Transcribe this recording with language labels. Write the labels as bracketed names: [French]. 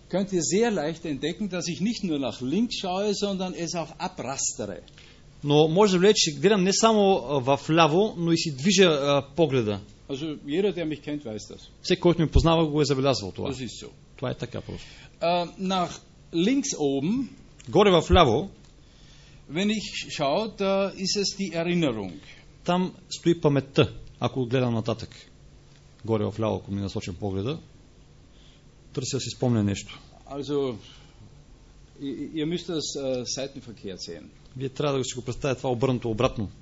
[German] Könnt ihr sehr leicht entdecken, dass ich nicht nur nach links schaue, sondern es auch abrastere. [Bulgarian] Но може да влече, че гледам не само в ляво, но и си движа погледа. [German] Also, jeder, der mich kennt, weiß das. [Bulgarian] Всеки, който ми познава, го е забелязвал това. [German] Das ist so. [Bulgarian] Това е така просто. [German] Nach links oben, [Bulgarian] горе в ляво, [German] wenn ich schaue, da ist es die Erinnerung. [Bulgarian] Там стои паметта, ако гледам нататък. Горе в ляво, ако ми насочим погледа, търся да си спомня нещо. [German] Also, ihr müsst das seitenverkehrt sehen. [Bulgarian] Вие трябва да си го представя това обърнато обратно.